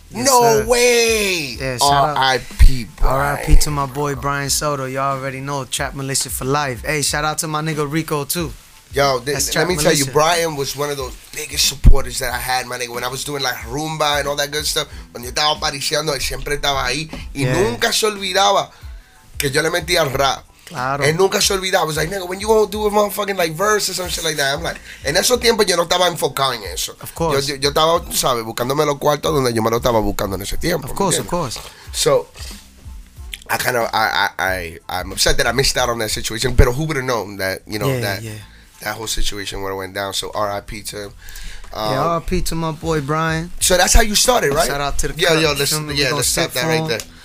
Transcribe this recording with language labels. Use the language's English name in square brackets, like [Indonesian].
[English] Yes, no sir. Way. Yeah, R.I.P. Brian. R.I.P. to my boy, Brian Soto. You already know, Trap Militia for life. Hey, shout out to my nigga Rico, too. Yo, let me tell you, Brian was one of those biggest supporters that I had, my nigga. When I was doing like rumba and all that good stuff, [Spanish] cuando yo estaba pariciando, él siempre estaba ahí. Y nunca se olvidaba que yo le metía al rap. Claro. Él nunca se olvidaba. [English] I was like, nigga, when you gonna do a motherfucking like verse or some shit like that? I'm like, [Spanish] en esos tiempos yo no estaba enfocado en eso. [English] Of course. [Spanish] Yo estaba, tú sabes, buscándome los cuartos donde yo me lo estaba buscando en ese tiempo. [English] Of course. So, I'm upset that I missed out on that situation, pero who would have known that, you know, that whole situation where it went down. So R.I.P. to him. R.I.P. to my boy Brian. So that's how you started, right? Shout out to the crew. Let's stop that right there.